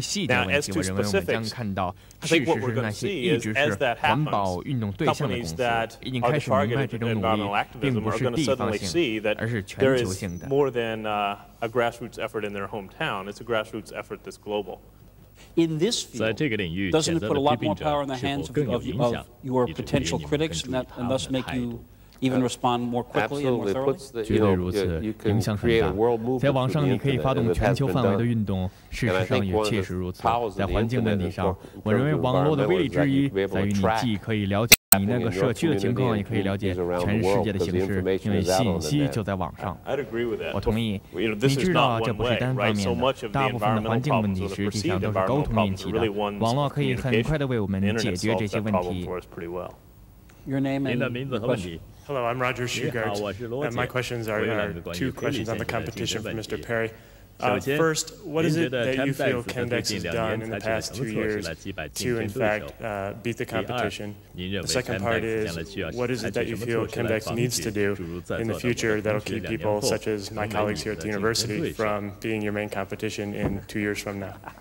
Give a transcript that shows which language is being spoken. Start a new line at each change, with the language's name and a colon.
English: Now, as to specifics, I think what we're going to see is, as that happens, companies that are the target of environmental activism are going to suddenly see that there is more than a grassroots effort in their hometown. It's a grassroots effort that's global. In this field, doesn't it put a lot more power in the hands of your potential critics and thus make you even respond more quickly and more thoroughly?
Chinese: 绝对如此，影响很大。在网上，你可以发动全球范围的运动，事实上也确实如此。在环境问题上，我认为网络的威力之一在于你既可以了解你那个社区的情况，也可以了解全世界的形势，因为信息就在网上。我同意，你知道这不是单方面的，大部分的环境问题实际上都是沟通引起的。网络可以很快地为我们解决这些问题。您的名字和问题。
English: Hello, I'm Roger Shugart, and my questions are two questions on the competition for Mr. Perry. First, what is it that you feel Chemdex has done in the past 2 years to, in fact, beat the competition? The second part is, what is it that you feel Chemdex needs to do in the future that will keep people such as my colleagues here at the university from being your main competition in 2 years from now?